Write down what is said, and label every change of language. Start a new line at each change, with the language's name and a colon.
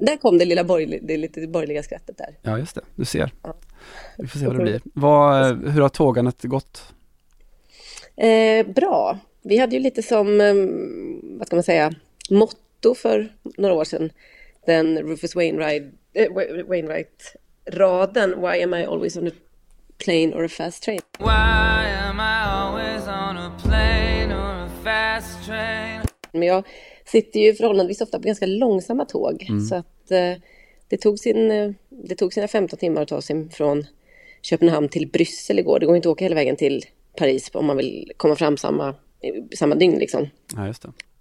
Swedish: Där kom det lilla borgerliga skrattet där. Ja, just det. Du ser. Ja. Vi får se vad det blir. Hur har tågandet gått? Bra. Vi hade ju lite som, vad ska man säga, motto för några år sedan. Den Rufus Wainwright-raden.
English: Why am I always on a plane or a fast train? Why am I always on a plane or a fast train?
Swedish: Men jag sitter ju förhållandevis ofta på ganska långsamma tåg. Mm. Så att det tog sina 15 timmar att ta sig från Köpenhamn till Bryssel igår. Det går inte att åka hela vägen till Paris om man vill komma fram samma dygn. Liksom. Ja, just det.